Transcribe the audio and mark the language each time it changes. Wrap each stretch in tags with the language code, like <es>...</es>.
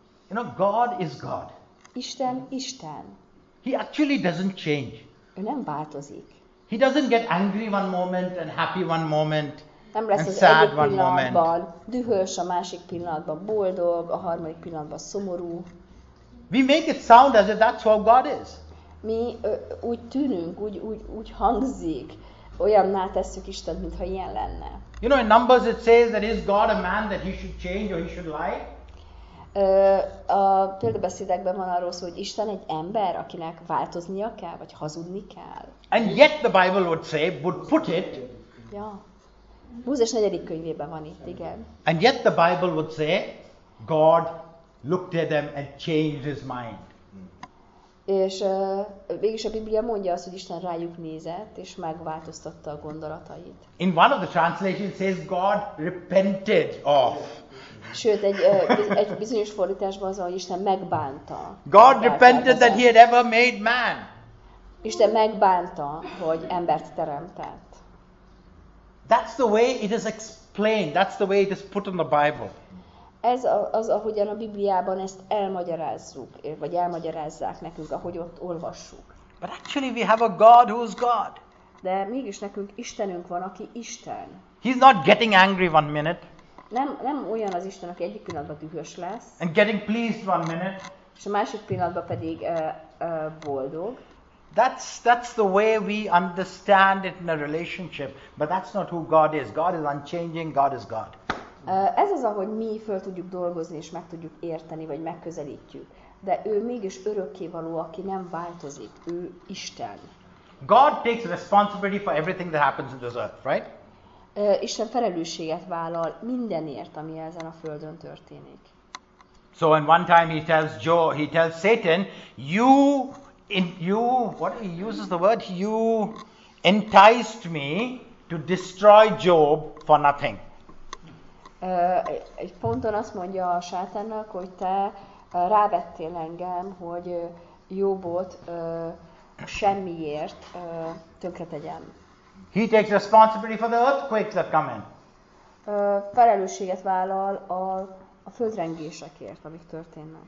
<en>You know, God is God.</en> <hu>Isten, Isten.</hu> <en>He actually doesn't change.</en> <hu>Ő nem változik.</hu> <en>He doesn't get angry one moment and happy one moment.</en> <hu>Nem lesz</hu> <en>and</en> <hu>az</hu> <en>sad</en> <hu>egyik pillanatban</hu> <en>one</en> <hu>dühös, a másik pillanatban boldog, a harmadik pillanatban szomorú.</hu> <en>We make it sound as if that's how God is.</en> <hu>Mi úgy tűnünk, úgy hangzik, olyanná tesszük Istent, mintha ilyen lenne.</hu> <en>You know, in Numbers it says that is God a man that he should change or he should lie?</en> <hu>A példabeszédekben van arról szó, hogy Isten egy ember, akinek változnia kell, vagy hazudni kell.</hu> <en>And yet the Bible would say, would put it.</en> <hu>Ja. Mózes 4. könyvében van itt, igen.</hu> <en>And yet the Bible would say, God looked at them and changed his mind.</en> <hu>És végülis a Biblia mondja azt, hogy Isten rájuk nézett, és megváltoztatta a gondolatait.</hu> <en>In one of the translations says, God repented of.</en> <hu>Sőt, egy bizonyos fordításban az, hogy Isten megbánta.</hu> <en>God repented that he had ever made man.</en> <hu>Isten megbánta, hogy embert teremtett.</hu> <en>That's the way it is explained. That's the way it is put in the Bible.</en> <hu>Ez az, ahogyan a Bibliában ezt elmagyarázzuk, vagy elmagyarázzák nekünk, ahogy ott olvassuk.</hu> <en>But actually we have a God who's God.</en> <hu>De mégis nekünk Istenünk van, aki Isten.</hu> <en>He's not getting angry one minute.</en> <hu>Nem olyan az Isten, aki egyik pillanatban dühös lesz.</hu> <en>And getting pleased one minute.</en> <hu>És a másik pillanatban pedig boldog.</hu> <en>That's the way we understand it in a relationship, but that's not who God is. God is unchanging. God is God.</en> <hu>Ez az, ahogy mi föl tudjuk dolgozni és meg tudjuk érteni vagy megközelítjük, de ő mégis örökkévaló, aki nem változik. Ő Isten.</hu> <en>God takes responsibility for everything that happens in this earth, right?</en> <hu>Isten felelősséget vállal mindenért, ami ezen a földön történik.</hu> <en>So in one time he tells Satan, you. In you, what he uses the word, you enticed me to destroy Job for nothing.</en> <hu>Egy ponton azt mondja a sátánnak, hogy te rávettél engem, hogy Jobot semmiért tönkretegyem.</hu> <en>He takes responsibility for the earthquakes that come in.</en> <hu>Felelősséget vállal a földrengésekért, amik történnek.</hu>